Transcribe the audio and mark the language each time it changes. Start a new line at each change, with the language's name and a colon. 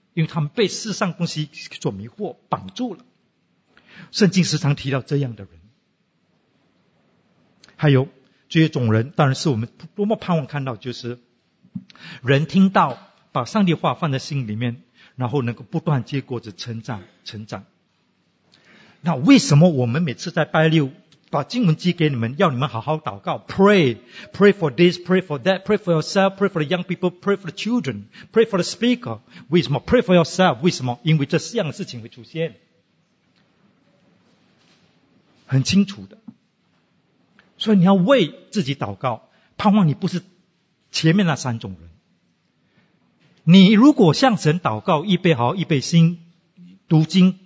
Chinese: 因为他们被世上东西所迷惑绑住了。圣经时常提到这样的人。还有这种人，当然是我们多么盼望看到，就是人听到把上帝话放在心里面，然后能够不断结果子成长成长。
English: 那为什么我们每次在拜六把经文寄给你们，要你们好好祷告，pray, pray for this, pray for that, pray for yourself, pray for the young people, pray for the children, pray for the speaker. 为什么？Pray for yourself.
Chinese: 为什么？因为这四样的事情会出现，很清楚的。所以你要为自己祷告，盼望你不是前面那三种人。你如果向神祷告，预备好，预备心，读经。